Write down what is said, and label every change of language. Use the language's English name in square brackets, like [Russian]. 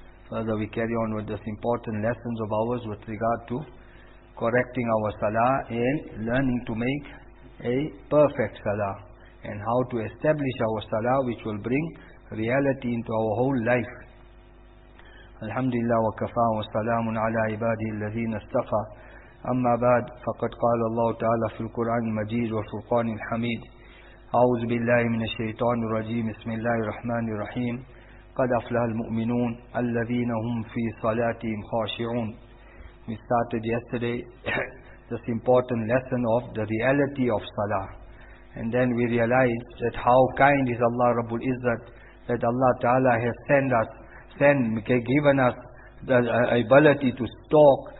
[English] Further, we carry on with this important lessons of ours with regard to correcting our salah and learning to make a perfect salah and how to establish our salah, which will bring reality into our whole life. [Arabic] Alhamdulillah wa kafa wa salamun ala ibadi alladhina istafa. أما بعد فقد قال الله تعالى في القرآن المجيد والفرقان الحميد أعوذ بالله من الشيطان الرجيم بسم الله الرحمن الرحيم قد أفلح المؤمنون الذين هم في صلاتهم خاشعون. [English] We started yesterday this important lesson of the reality of salah, and then we realized that how kind is Allah Rabbul Izzat, that Allah Ta'ala has given us the ability to talk.